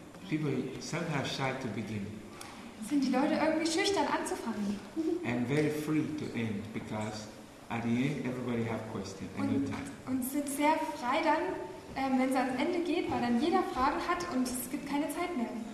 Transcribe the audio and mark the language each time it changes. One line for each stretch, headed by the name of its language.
English: people somehow shy to begin.
German: Sind die Leute irgendwie schüchtern anzufangen?
English: And very free to end because. At the end, everybody have questions and good time.
German: Und sind sehr frei dann, wenn es ans Ende geht, weil dann jeder Fragen hat und es gibt keine Zeit mehr.